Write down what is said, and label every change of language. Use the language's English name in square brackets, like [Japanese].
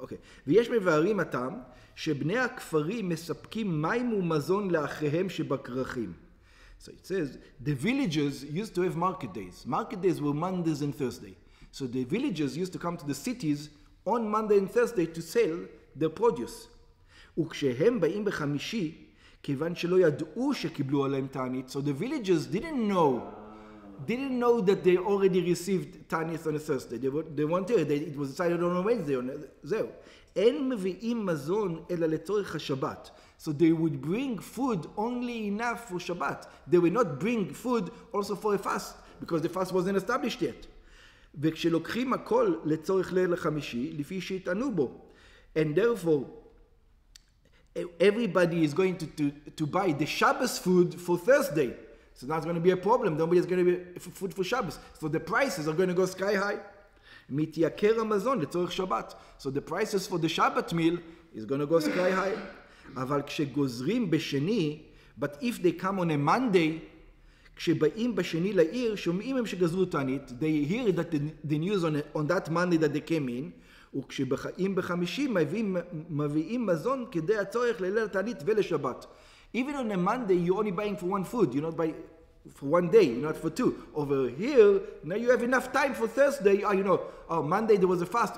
[Hebrew] אוקיי, ויש מבארים הטעם שבני הכפרים מספקים מים ומזון לאחריהם שבקרחים. [English] So it says, the villagers used to have market days. Market days were Mondays and Thursday. So the villagers used to come to the cities on Monday and Thursday to sell the produce. [Hebrew] וכשהם באים בחמישי, כיוון שלא ידעו שקיבלו עליהם תענית, [English] so the villagers didn't know that they already received תענית on a Thursday. They weren't here. It was decided on a Wednesday. [Hebrew] זהו. אין מביאים מזון אלא לצורך השבת. [English] So they would bring food only enough for Shabbat. They would not bring food also for a fast, because the fast wasn't established yet. [Hebrew] וכשלוקחים הכל לצורך ליל החמישי, לפי שהתענו בו, [English] and therefore everybody is going to buy the Shabbos food for Thursday. So that's going to be a problem. Nobody is going to be food for Shabbos. So the prices are going to go sky high. [Hebrew] מתייקר המזון לצורך שבת. [English] So the prices for the Shabbat meal is going to go sky high. [Hebrew] אבל כשגוזרים בשני, [English] but if they come on a Monday, [Hebrew] כשבאים בשני לעיר, שומעים הם שגזרו תענית, [English] they hear that the news on that Monday that they came in, [Hebrew] וכשבאים בחמישים מביאים מזון כדי הצורך לליל התענית ולשבת. [English] Even on a Monday, you're only buying for one food. You're not buying for one day, not for two. Over here, now you have enough time for Thursday. Oh, you know, oh, Monday there was a fast.